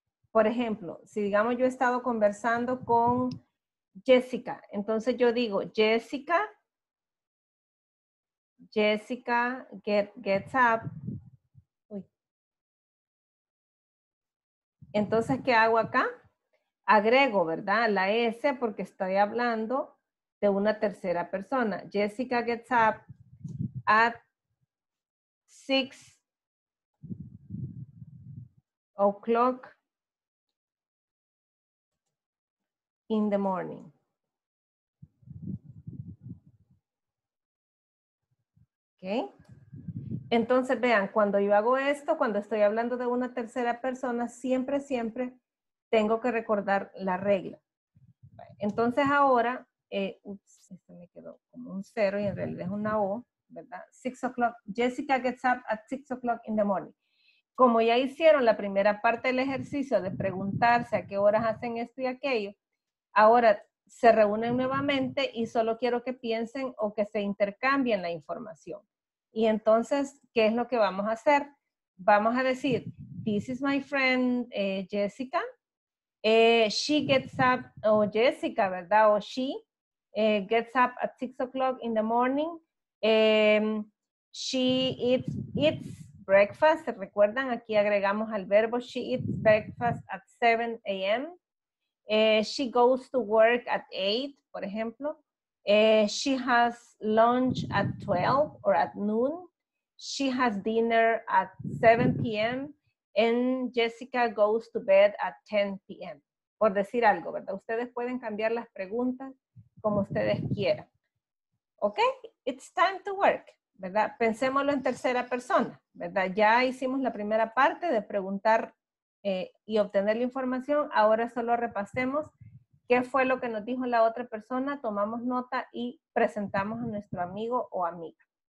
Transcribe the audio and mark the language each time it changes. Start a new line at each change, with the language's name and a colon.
Spanish: Por ejemplo, si digamos yo he estado conversando con Jessica, entonces yo digo,
English: Jessica gets up.
Spanish: Uy. Entonces, ¿qué hago acá? Agrego, ¿verdad? La S porque estoy hablando de una tercera persona.
English: Jessica gets up at 6 o'clock in the morning. Okay.
Spanish: Entonces vean, cuando yo hago esto, cuando estoy hablando de una tercera persona, siempre, siempre tengo que recordar la regla. Entonces ahora, esto me quedó como un cero y en realidad es una O, ¿verdad?
English: 6 o'clock, Jessica gets up at 6 o'clock in the morning.
Spanish: Como ya hicieron la primera parte del ejercicio de preguntarse a qué horas hacen esto y aquello, ahora se reúnen nuevamente y solo quiero que piensen o que se intercambien la información. Y entonces, ¿qué es lo que vamos a hacer? Vamos a decir,
English: this is my friend Jessica. She gets up, o Jessica, ¿verdad? O she gets up at 6 o'clock in the morning. She eats breakfast. ¿Recuerdan?
Spanish: Aquí agregamos al verbo,
English: she eats breakfast at 7 a.m. She goes to work at 8,
Spanish: por ejemplo.
English: She has lunch at 12 or at noon. She has dinner at 7 p.m. And Jessica goes to bed at 10 p.m.
Spanish: Por decir algo, ¿verdad? Ustedes pueden cambiar las preguntas como ustedes quieran.
English: Ok, it's time to work,
Spanish: ¿verdad? Pensémoslo en tercera persona, ¿verdad? Ya hicimos la primera parte de preguntar y obtener la información. Ahora solo repasemos qué fue lo que nos dijo la otra persona, tomamos nota y presentamos a nuestro amigo o amiga.